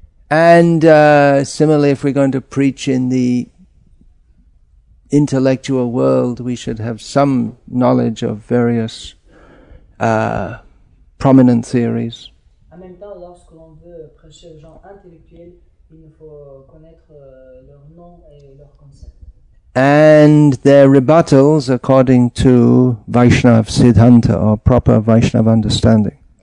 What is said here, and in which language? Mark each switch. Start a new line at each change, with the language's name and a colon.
English: And similarly, if we're going to preach in the intellectual world, we should have some knowledge of various prominent theories.
French: En même temps, lorsque l'on veut prêcher aux gens intellectuels, il faut connaître leur nom et leur concept.
English: And their rebuttals according to Vaishnava Siddhanta or proper Vaishnava understanding.